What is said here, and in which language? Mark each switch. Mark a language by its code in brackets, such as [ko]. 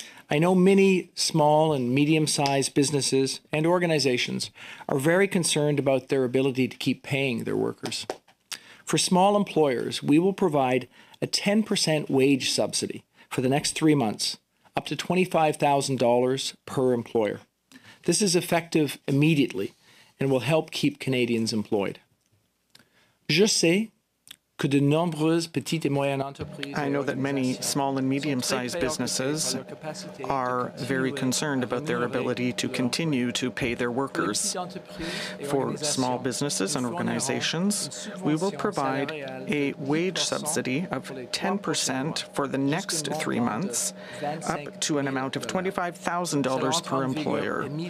[en] I know many small and medium-sized businesses and organizations are very concerned about their ability to keep paying their workers. For small employers, we will provide a 10% wage subsidy for the next 3 months, up to $25,000 per employer. This is effective immediately and will help keep Canadians employed. [fr] Je sais que de nombreuses petites et moyennes entreprises. [en] I know that many small and medium-sized businesses are very concerned about their ability to continue to pay their workers. For small businesses and organizations, we will provide a wage subsidy of 10% for the next 3 months, up to an amount of $25,000 per employer.